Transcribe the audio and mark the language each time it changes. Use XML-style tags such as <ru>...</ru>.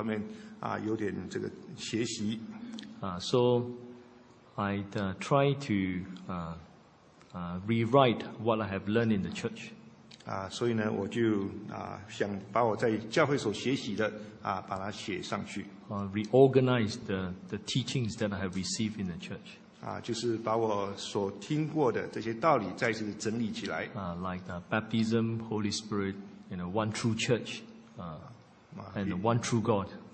<zh>那么我在文献方面，我想说我可以在这方面有点这个学习。</zh> <en>So I'd try to rewrite what I have learned in the church.</en> <zh>所以呢，我就想把我在教会所学习的把它写上去。</zh> <en>Reorganize the teachings that I have received in the church.</en> <zh>就是把我所听过的这些道理再次整理起来。</zh> <en>Like the baptism, Holy Spirit, one true church, and one true God.</en>